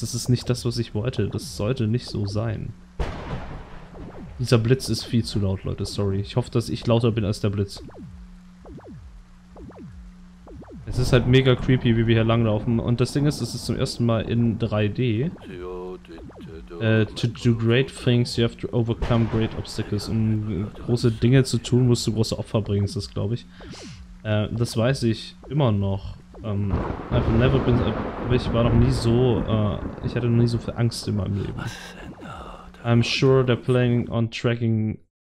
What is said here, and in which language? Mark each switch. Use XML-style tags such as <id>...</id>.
<de>Das ist nicht das, was ich wollte. Das sollte nicht so sein. Dieser Blitz ist viel zu laut, Leute. Sorry. Ich hoffe, dass ich lauter bin als der Blitz. Es ist halt mega creepy, wie wir hier langlaufen. Und das Ding ist, es ist zum ersten Mal in 3D.</de> <en>To do great things, you have to overcome great obstacles.</en> <de>Um große Dinge zu tun, musst du große Opfer bringen, ist das, glaube ich. Das weiß ich immer noch.</de> <en>I've never been,</en> <de>ich war noch nie so, ich hatte noch nie so viel Angst in meinem Leben.</de> <en>I'm sure they're playing on tracking.</en>